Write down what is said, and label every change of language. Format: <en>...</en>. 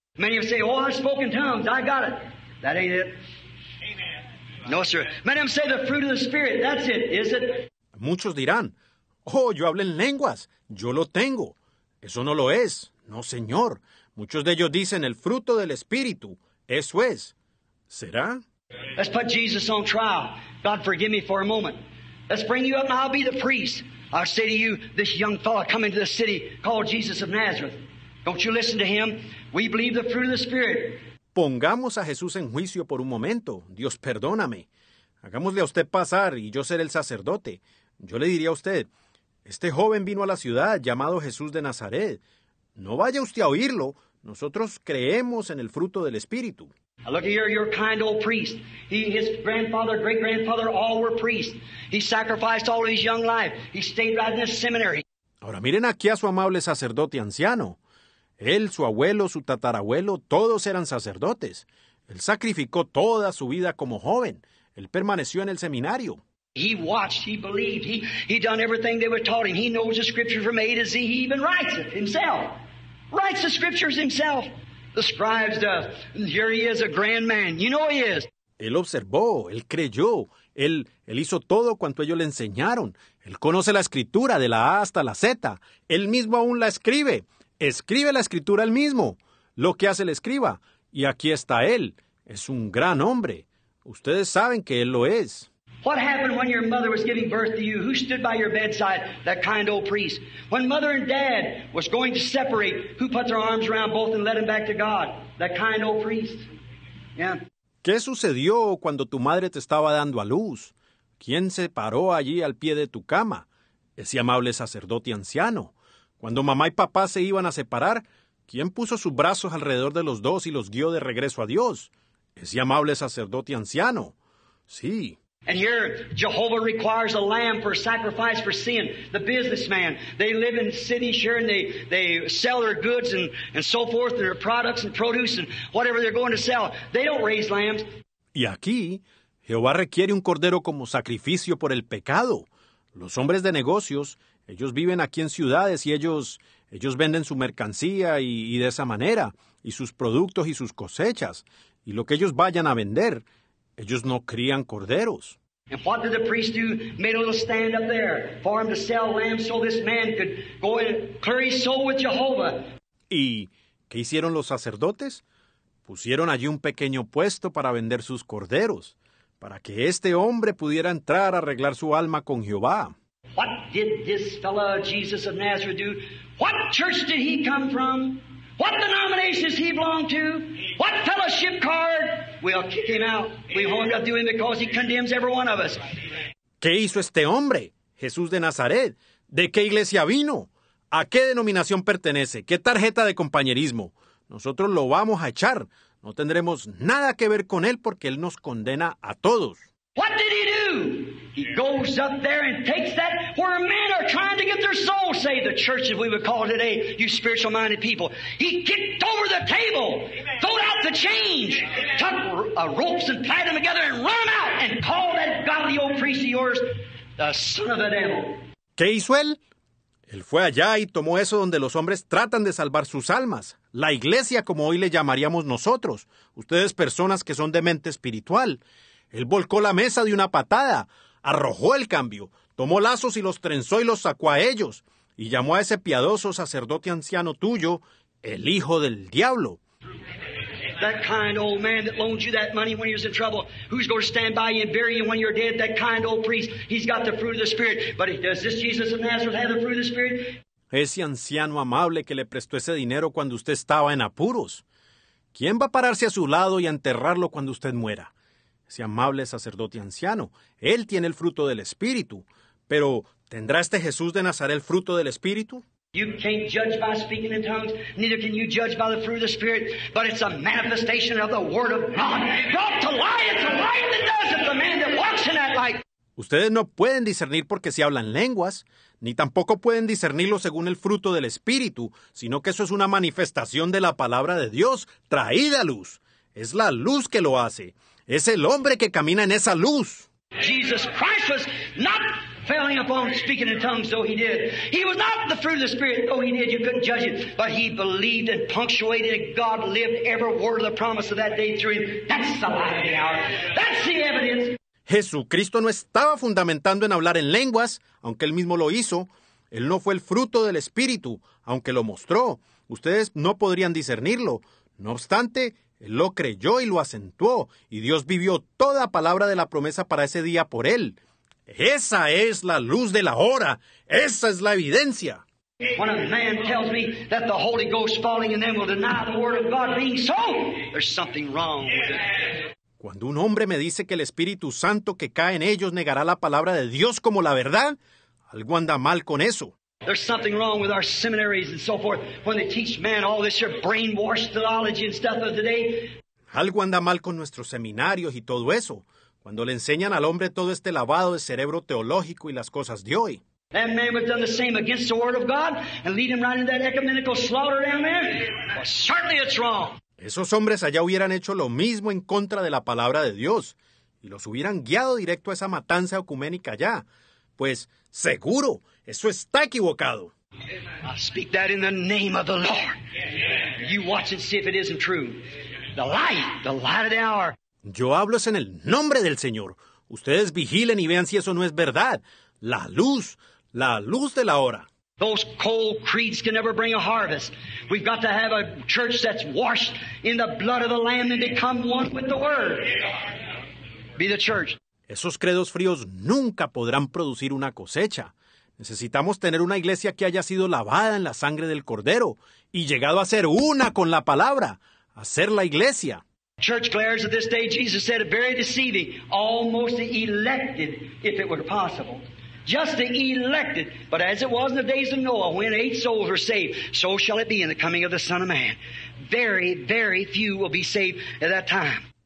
<en>Many of you say, oh, I spoke in tongues. I got it. That ain't it. Amen. No, sir. Many of them say the fruit of the Spirit. That's it. Is it?</en> <es>Muchos dirán, oh, yo hablo en lenguas. Yo lo tengo. Eso no lo es. No, señor. Muchos de ellos dicen el fruto del Espíritu. Eso es. ¿Será?</es> <en>Let's put Jesus on trial. God, forgive me for a moment. Let's bring you up and I'll be the priest. I say to you, this young fellow come into the city called Jesus of Nazareth. Don't you listen to him. We believe the fruit of the Spirit.</en> <es>Pongamos a Jesús en juicio por un momento. Dios, perdóname. Hagámosle a usted pasar y yo seré el sacerdote. Yo le diría a usted, este joven vino a la ciudad llamado Jesús de Nazaret. No vaya usted a oírlo. Nosotros creemos en el fruto del Espíritu.</es> <en>I look at your kind old priest. He, his grandfather, great-grandfather, all were priests. He sacrificed all his young life. He stayed right in the seminary.</en> <es>Ahora miren aquí a su amable sacerdote anciano. Él, su abuelo, su tatarabuelo, todos eran sacerdotes. Él sacrificó toda su vida como joven. Él permaneció en el seminario.</es> <en>He watched, he believed, he done everything they were taught him. He knows the scriptures from A to Z. He even writes it himself. Writes the scriptures himself. The scribes do. Here he is, a grand man. You know he is.</en> <es>Él observó, él creyó, él hizo todo cuanto ellos le enseñaron. Él conoce la escritura de la A hasta la Z. Él mismo aún la escribe. Escribe la escritura él mismo, lo que hace el escriba. Y aquí está él. Es un gran hombre. Ustedes saben que él lo es.</es> <en>What happened when your mother was giving birth to you? Who stood by your bedside? That kind old priest. When mother and dad was going to separate, who put their arms around both and led them back to God? That kind old priest. Yeah.</en> <es>¿Qué sucedió cuando tu madre te estaba dando a luz? ¿Quién se paró allí al pie de tu cama? Ese amable sacerdote anciano. Cuando mamá y papá se iban a separar, ¿quién puso sus brazos alrededor de los dos y los guió de regreso a Dios? Ese amable sacerdote anciano. Sí.</es> <en>And here, Jehovah requires a lamb for sacrifice for sin. The businessman, they live in cities here and they sell their goods and so forth, their products and produce and whatever they're going to sell. They don't raise lambs.</en> <es>Y aquí, Jehová requiere un cordero como sacrificio por el pecado. Los hombres de negocios, ellos viven aquí en ciudades y ellos venden su mercancía y de esa manera, y sus productos y sus cosechas, y lo que ellos vayan a vender, ellos no crían corderos.</es> <en>And what did the priest do? Made a little stand up there for him to sell lambs so this man could go and clear his soul with Jehovah.</en> <es>¿Y qué hicieron los sacerdotes? Pusieron allí un pequeño puesto para vender sus corderos, para que este hombre pudiera entrar a arreglar su alma con Jehová.</es> <en>What did this fellow Jesus of Nazareth do? What church did he come from? What denomination does he belong to? What fellowship card? We'll kick him out. We won't do him because he condemns every one of us.</en> <es>¿Qué hizo este hombre? Jesús de Nazaret. ¿De qué iglesia vino? ¿A qué denominación pertenece? ¿Qué tarjeta de compañerismo? Nosotros lo vamos a echar. No tendremos nada que ver con él porque él nos condena a todos.</es> <en>What did he do? He goes up there and takes that where men are trying to get their souls saved, the church as we would call it today, you spiritual-minded people. He kicked over the table, throwed out the change, took ropes and tied them together and run them out and called that godly old priest of yours the son of the devil.</en> <es>¿Qué hizo él? Él fue allá y tomó eso donde los hombres tratan de salvar sus almas, la iglesia como hoy le llamaríamos nosotros, ustedes personas que son de mente espiritual. Él volcó la mesa de una patada, arrojó el cambio, tomó lazos y los trenzó y los sacó a ellos, y llamó a ese piadoso sacerdote anciano tuyo, el hijo del diablo.</es> <en>That kind old man that loaned you that money when he was in trouble, who's going to stand by you and bury you when you're dead, that kind old priest, he's got the fruit of the Spirit. But does this Jesus of Nazareth have the fruit of the Spirit?</en> <es>Ese anciano amable que le prestó ese dinero cuando usted estaba en apuros. ¿Quién va a pararse a su lado y a enterrarlo cuando usted muera? Ese amable sacerdote anciano, él tiene el fruto del Espíritu. Pero, ¿tendrá este Jesús de Nazaret el fruto del Espíritu?</es> <en>You can't judge by speaking in tongues, neither can you judge by the fruit of the Spirit, but it's a manifestation of the Word of God. Brought to life, it's a life that does it, the man that walks in that light.</en> <es>Ustedes no pueden discernir porque si hablan lenguas, ni tampoco pueden discernirlo según el fruto del Espíritu, sino que eso es una manifestación de la palabra de Dios, traída a luz. Es la luz que lo hace. Es el hombre que camina en esa luz.</es> <en>Jesus Christ was not failing upon speaking in tongues, though he did. He was not the fruit of the Spirit, though he did. You couldn't judge it. But he believed and punctuated and God lived every word of the promise of that day through him. That's the light of the hour. That's the evidence.</en> <es>Jesucristo no estaba fundamentando en hablar en lenguas, aunque él mismo lo hizo. Él no fue el fruto del Espíritu, aunque lo mostró. Ustedes no podrían discernirlo. No obstante, él lo creyó y lo acentuó, y Dios vivió toda palabra de la promesa para ese día por él. Esa es la luz de la hora. Esa es la evidencia.</es> <en>When a man tells me that the Holy Ghost falling in them will deny the word of God being so, there's something wrong with it.</en> <es>Cuando un hombre me dice que el Espíritu Santo que cae en ellos negará la palabra de Dios como la verdad, algo anda mal con eso.</es> <en>There's something wrong with our seminaries and so forth when they teach man all this your brainwashed theology and stuff of today.</en> <es>Algo anda mal con nuestros seminarios y todo eso, cuando le enseñan al hombre todo este lavado de cerebro teológico y las cosas de hoy.</es> <en>That man would have done the same against the word of God and lead him right into that ecumenical slaughter down there. Well, certainly it's wrong.</en> <es>Esos hombres allá hubieran hecho lo mismo en contra de la palabra de Dios y los hubieran guiado directo a esa matanza ecuménica allá. Pues, seguro, eso está equivocado.</es> <en>I speak that in the name of the Lord. You watch and see if it isn't true. The light of the hour.</en> <es>Yo hablo es en el nombre del Señor. Ustedes vigilen y vean si eso no es verdad. La luz de la hora.</es> <en>Those cold creeds can never bring a harvest. We've got to have a church that's washed in the blood of the Lamb and become one with the Word. Be the church.</en> <es>Esos credos fríos nunca podrán producir una cosecha. Necesitamos tener una iglesia que haya sido lavada en la sangre del Cordero y llegado a ser una con la palabra, a ser la iglesia.</es> <en>Church clerics of this day, Jesus said, very deceiving, almost elected, if it were possible. Just the elected, but as it was in the days of Noah, when 8 souls were saved, so shall it be in the coming of the Son of Man. Very, very few will be saved at that time.</en>